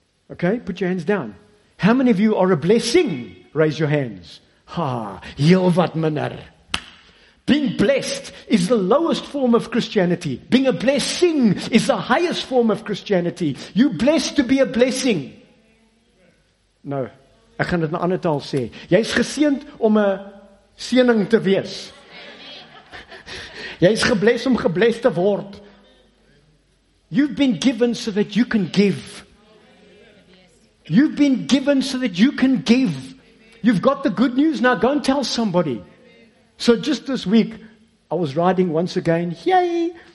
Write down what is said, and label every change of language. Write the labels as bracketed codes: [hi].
[en] Okay, put your hands down. How many of you are a blessing? Raise your hands. [af] Ha, heel wat minder. [en] Being blessed is the lowest form of Christianity. Being a blessing is the highest form of Christianity. You blessed to be a blessing. [af] Nou, ek gaan dit in 'n ander taal sê. Jy is geseend om 'n seëning te wees. Jy is gebless om gebless te word. [en] You've been given so that you can give. You've been given so that you can give. You've got the good news, now go and tell somebody. So just this week, I was riding once again, yay!